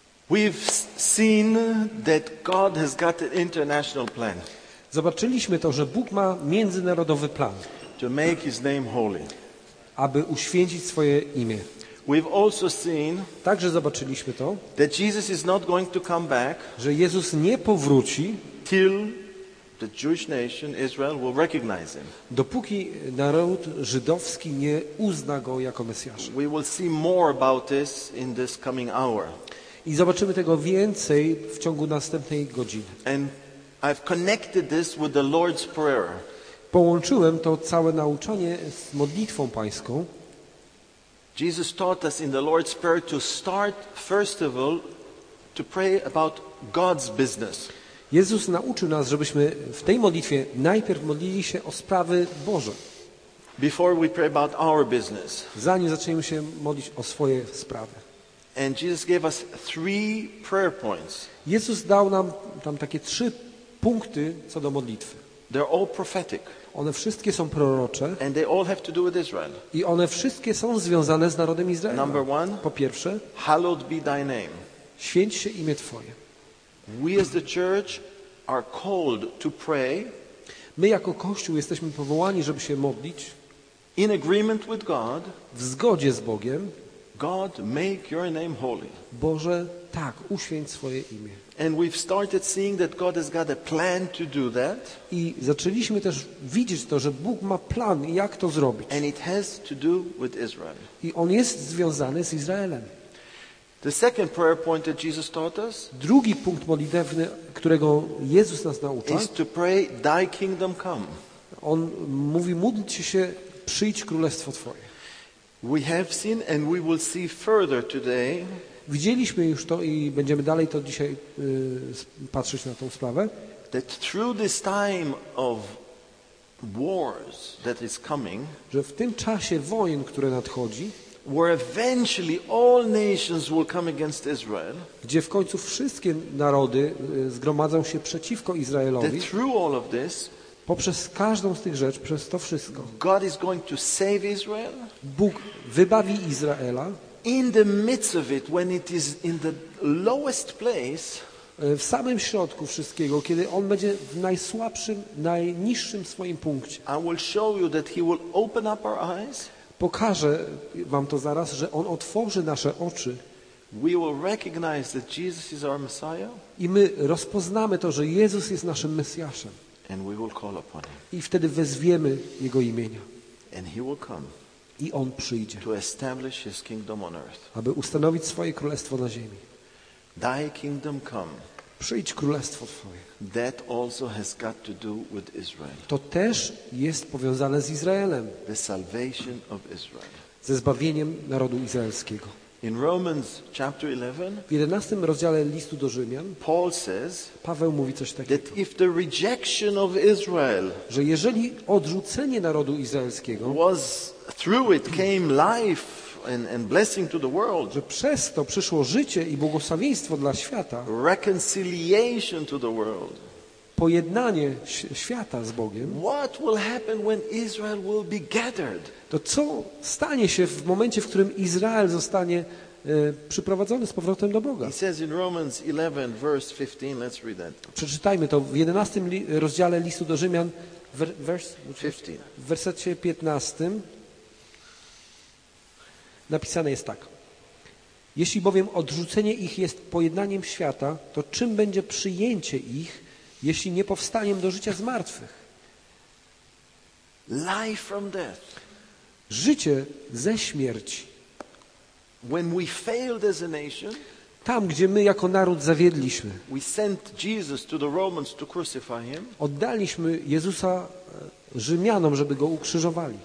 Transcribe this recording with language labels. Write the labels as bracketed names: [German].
[English] We've seen that God has got an international plan. [Polish] Zobaczyliśmy to, że Bóg ma międzynarodowy plan. [English] To make his name holy. [Polish] Aby uświęcić swoje imię. [English] We've also seen, [Polish] także zobaczyliśmy to, [English] that Jesus is not going to come back, [Polish] że Jezus nie powróci, [English] till the Jewish nation Israel will recognize him. [Polish] Dopóki naród żydowski nie uzna go jako Mesjasza. [English] We will see more about this in this coming hour. [Polish] I zobaczymy tego więcej w ciągu następnej godziny. [English] And I've connected this with the Lord's Prayer. [Polish] Połączyłem to całe nauczanie z modlitwą pańską. [English] Jesus taught us in the Lord's Prayer to start first of all to pray about God's business. [Polish] Jezus nauczył nas, żebyśmy w tej modlitwie najpierw modlili się o sprawy Boże. [English] Before we pray about our business. [Polish] Zanim zaczniemy się modlić o swoje sprawy. [English] And Jesus gave us three prayer points. [Polish] Jezus dał nam tam takie trzy punkty co do modlitwy. [English] They're all prophetic. [Polish] One wszystkie są prorocze. [English] And they all have to do with Israel. [Polish] I one wszystkie są związane z narodem Izraela. [English] Number one, [Polish] po pierwsze, [English] hallowed be thy name. [Polish] Święć się imię Twoje. [English] We as the church are called to pray. [Polish] My jako Kościół jesteśmy powołani, żeby się modlić. [English] In agreement with God. [Polish] W zgodzie z Bogiem. [English] God, make your name holy. [Polish] Boże, tak, uświęć swoje imię. [English] And we've started seeing that God has got a plan to do that. [Polish] I zaczęliśmy też widzieć to, że Bóg ma plan, jak to zrobić. [English] And it has to do with Israel. [Polish] I on jest związany z Izraelem. [English] The second prayer point that Jesus taught us. [Polish] Drugi punkt modlitewny, którego Jezus nas nauczył. [English] Is to pray, Thy kingdom come. [Polish] On mówi, módlcie się, przyjdź królestwo Twoje. [English] We have seen and we will see further today. [Polish] Widzieliśmy już to i będziemy dalej to dzisiaj patrzeć na tą sprawę. [English] That through this time of wars that is coming, [Polish] że w tym czasie wojen, które nadchodzi, [English] where eventually all nations will come against Israel, [Polish] gdzie w końcu wszystkie narody zgromadzą się przeciwko Izraelowi, [English] that through all of this, [Polish] poprzez każdą z tych rzeczy, przez to wszystko, [English] God is going to save Israel, [Polish] Bóg wybawi Izraela. [English] In the midst of it, when it is in the lowest place, [Polish] w samym środku wszystkiego, kiedy on będzie w najsłabszym, najniższym swoim punkcie, [English] I will show you that he will open up our eyes. [Polish] Pokażę wam to zaraz, że on otworzy nasze oczy. [English] We will recognize that Jesus is our Messiah. [Polish] I my rozpoznamy to, że Jezus jest naszym Mesjaszem. [English] And we will call upon him. [Polish] I wtedy wezwiemy jego imienia. [English] And he will come. [Polish] I on przyjdzie, [English] to establish his kingdom on earth. [Polish] Aby ustanowić swoje królestwo na ziemi. [English] Thy kingdom come. [Polish] Przyjdź królestwo twoje. [English] That also has got to do with Israel. [Polish] To też jest powiązane z Izraelem. [English] The salvation of Israel. [Polish] Ze zbawieniem narodu izraelskiego. [English] In Romans chapter 11, [Polish] w 11 rozdziale listu do Rzymian, [English] Paul says, [Polish] Paweł mówi coś takiego, [English] that if the rejection of Israel, [Polish] że jeżeli odrzucenie narodu izraelskiego, [English] was through it came life and blessing to the world, [Polish] że przez to przyszło życie i błogosławieństwo dla świata, [English] reconciliation to the world, [Polish] pojednanie świata z Bogiem, [English] what will happen when Israel will be gathered, [Polish] to co stanie się w momencie, w którym Izrael zostanie przyprowadzony z powrotem do Boga. [English] He says in Romans 11 verse 15, let's read that. [Polish] Przeczytajmy to w 11 rozdziale listu do Rzymian w wersecie 15. Napisane jest tak. Jeśli bowiem odrzucenie ich jest pojednaniem świata, to czym będzie przyjęcie ich, jeśli nie powstaniem do życia z martwych? [English] Life from death. [Polish] Życie ze śmierci. [English] When we failed as a nation, [Polish] tam, gdzie my jako naród zawiedliśmy, [English] we sent Jesus to the Romans to crucify him, [Polish] oddaliśmy Jezusa Rzymianom, żeby go ukrzyżowali.